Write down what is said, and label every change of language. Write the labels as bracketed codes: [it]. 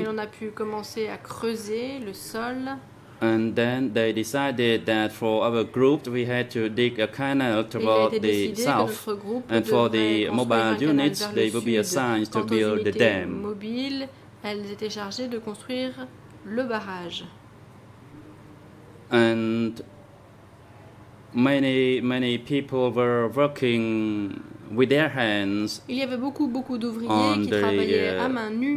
[fr] Et on a pu commencer à creuser le sol. [en] And then they decided that for our group we had to dig a canal toward the south, and for the mobile units they would be assigned to build the dam. [fr] Mobiles, elles étaient chargées de construire le barrage. [en] And many people were working with their hands. [fr] Il y avait beaucoup d'ouvriers qui travaillaient à main nue.